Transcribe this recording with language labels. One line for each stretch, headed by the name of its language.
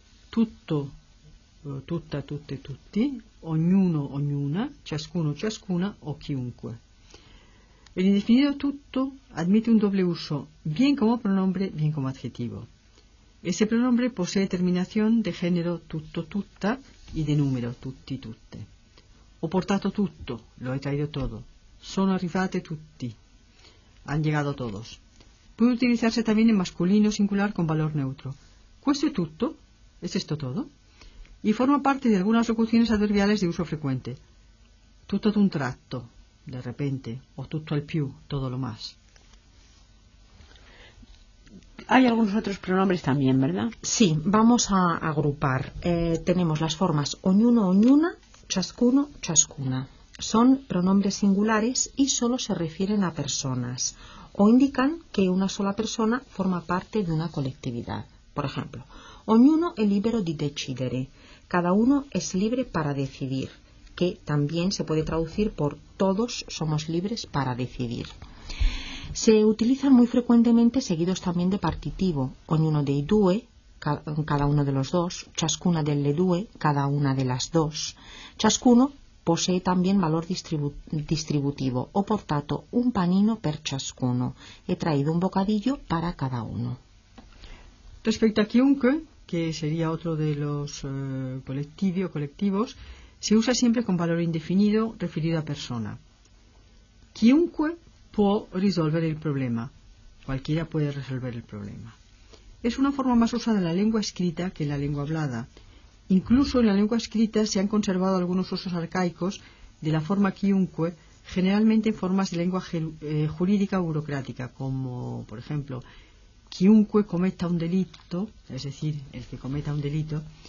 Italian: Tutto, tutta, tutte, tutti, ognuno, ognuna, ciascuno, ciascuna o chiunque.
Spanish: El indefinido tutto admite un doble uso, bien como pronombre, bien como adjetivo. Ese pronombre posee terminación de género tutto, tutta y de número tutti, tutte.
Italian: Ho portato tutto,
Spanish: lo he traído todo.
Italian: Sono arrivate tutti,
Spanish: han llegado todos. Puede utilizarse también en masculino singular con valor neutro.
Italian: ¿Questo è tutto?
Spanish: ¿Es esto todo? Y forma parte de algunas locuciones adverbiales de uso frecuente.
Italian: Tutto ad un tratto,
Spanish: de repente, o
Italian: tutto al più,
Spanish: todo lo más. Hay algunos otros pronombres también, ¿verdad? Sí, vamos a agrupar. Tenemos las formas ognuno, ognuna, ciascuno, ciascuna. Son pronombres singulares y solo se refieren a personas o indican que una sola persona forma parte de una colectividad. Por ejemplo,
Italian: ognuno è libero di decidere.
Spanish: Cada uno es libre para decidir, que también se puede traducir por todos somos libres para decidir. Se utilizan muy frecuentemente seguidos también de partitivo,
Italian: ognuno dei due,
Spanish: cada uno de los dos,
Italian: ciascuna delle due,
Spanish: cada una de las dos, ciascuno posee también valor distributivo.
Italian: Ho portato un panino per ciascuno.
Spanish: He traído un bocadillo para cada uno. Respecto a chiunque, que sería otro de los colectivi o colectivos, se usa siempre con valor indefinido referido a persona.
Italian: Chiunque può risolvere il problema.
Spanish: Cualquiera puede resolver el problema. Es una forma más usada en la lengua escrita que en la lengua hablada. Incluso en la lengua escrita se han conservado algunos usos arcaicos de la forma chiunque, generalmente en formas de lengua jurídica o burocrática, como, por ejemplo,
Italian: chiunque cometa un delito,
Spanish: es decir, el que cometa un delito.